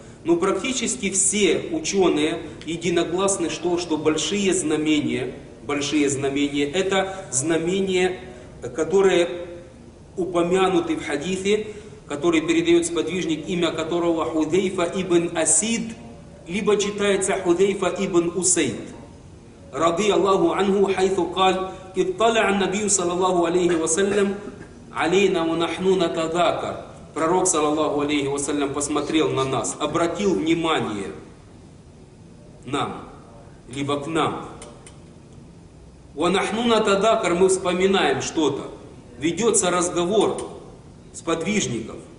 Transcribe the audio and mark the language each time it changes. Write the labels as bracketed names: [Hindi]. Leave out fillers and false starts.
[Russian] Но практически все ученые единогласны, что большие знамения – это знамения, которые упомянуты в хадисе, который передает сподвижник, имя которого Худейфа ибн Асид, либо читается Худейфа ибн Усейд. [Arabic] رضي الله عنه حيث قال اطلع النبي صلى الله عليه وسلم علينا ونحن نتذاكر. [Russian] Пророк صلى الله عليه وسلم посмотрел на нас, обратил внимание нам, либо к нам. ونحن نتذاكر, мы вспоминаем что-то. Ведется разговор сподвижников.